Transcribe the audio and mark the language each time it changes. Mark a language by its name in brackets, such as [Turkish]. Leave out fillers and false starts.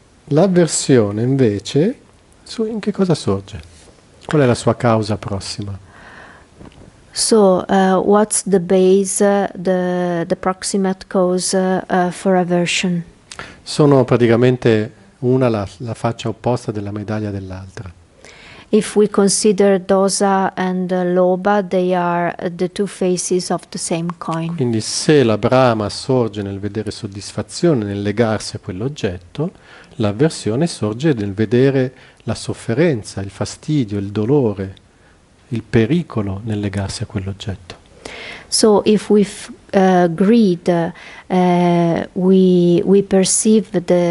[Italian] L'avversione, invece, in che cosa sorge? Qual è la sua causa prossima? [English] So, what's the base, the proximate cause, for aversion? [Italian] Sono praticamente una la faccia opposta della medaglia dell'altra. [English] If we consider dosa and loba, they are the two faces of the same coin. [Italian] Quindi se la brama sorge nel vedere soddisfazione, nel legarsi a quell'oggetto, l'avversione sorge nel vedere la sofferenza, il fastidio, il dolore, il pericolo nel legarsi a quell'oggetto. [English] So if with greed we perceive